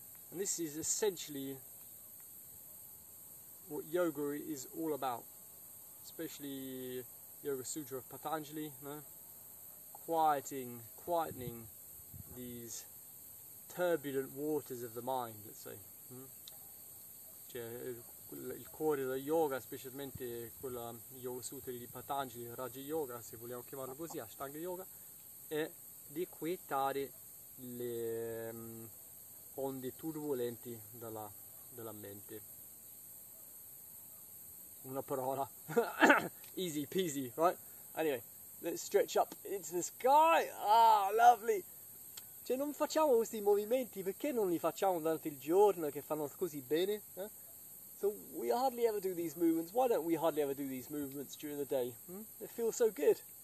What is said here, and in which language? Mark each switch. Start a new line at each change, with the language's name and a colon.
English: And this is essentially what yoga is all about, especially Yoga Sutra of Patanjali, no? Quietening these turbulent waters of the mind, let's say.
Italian: Cioè, il cuore dello yoga, specialmente quella Yoga Sutra di Patanjali, Raja Yoga, se vogliamo chiamarlo così, Ashtanga Yoga, è di quietare le onde turbolenti della mente. Una parola.
English: Easy peasy, right? Anyway, let's stretch up into the sky. Ah, lovely!
Italian: Cioè, non facciamo questi movimenti, perché non li facciamo durante il giorno che fanno così bene?
English: Eh? So, we hardly ever do these movements. Why don't we hardly ever do these movements during the day? They feel so good.